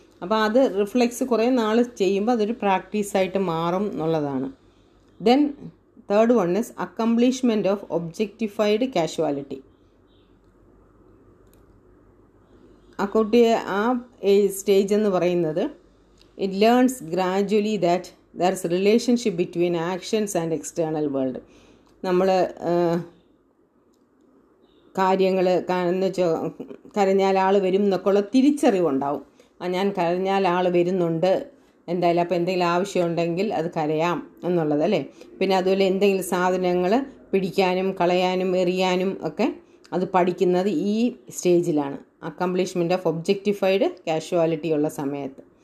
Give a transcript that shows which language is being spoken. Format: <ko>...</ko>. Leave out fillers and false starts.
<ml>അപ്പോൾ അത് റിഫ്ലെക്സ് കുറേ നാൾ ചെയ്യുമ്പോൾ അതൊരു പ്രാക്ടീസായിട്ട് മാറും എന്നുള്ളതാണ്.</ml> <en>Then 3rd is accomplishment of objectified causality.</en> <ml>ആ കുട്ടിയെ ആ സ്റ്റേജ് എന്ന് പറയുന്നത്</ml> <en>It learns gradually that There is a relationship between actions and external world.</en> <ml>നമ്മൾ കാര്യങ്ങൾ എന്ന് വെച്ചാൽ കരഞ്ഞാൽ ആൾ വരും എന്നൊക്കെയുള്ള തിരിച്ചറിവുണ്ടാവും. ആ ഞാൻ കരഞ്ഞാൽ ആൾ വരുന്നുണ്ട്, എന്തായാലും അപ്പോൾ എന്തെങ്കിലും ആവശ്യമുണ്ടെങ്കിൽ അത് കരയാം എന്നുള്ളതല്ലേ. പിന്നെ അതുപോലെ എന്തെങ്കിലും സാധനങ്ങൾ പിടിക്കാനും കളയാനും എറിയാനും ഒക്കെ അത് പഠിക്കുന്നത് ഈ സ്റ്റേജിലാണ്, അക്കംപ്ലിഷ്മെൻ്റ് ഓഫ് ഒബ്ജക്റ്റിഫൈഡ് കാഷ്വാലിറ്റി ഉള്ള സമയത്ത്.</ml>